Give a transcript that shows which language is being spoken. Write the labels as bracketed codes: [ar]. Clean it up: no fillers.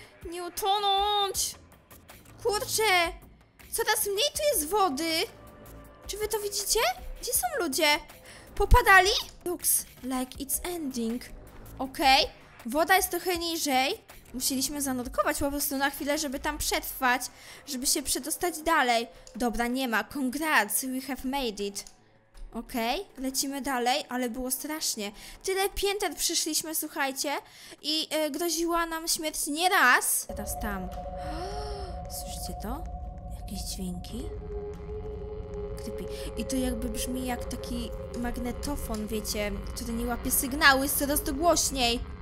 [pl] Nie utonąć! Kurczę! Coraz mniej tu jest wody! Czy wy to widzicie? Gdzie są ludzie? Popadali? [en] Looks like it's ending. [pl] Okej. Woda jest trochę niżej. Musieliśmy zanurkować po prostu na chwilę, żeby tam przetrwać, żeby się przedostać dalej. Dobra, nie ma. [en] Congrats, we have made it. [pl] Okej, lecimy dalej, ale było strasznie. Tyle pięter przyszliśmy, słuchajcie, i groziła nam śmierć nie raz. Teraz tam. Słyszycie to? Jakieś dźwięki? Creepy. I to jakby brzmi jak taki magnetofon, wiecie, który nie łapie sygnału, jest coraz to głośniej.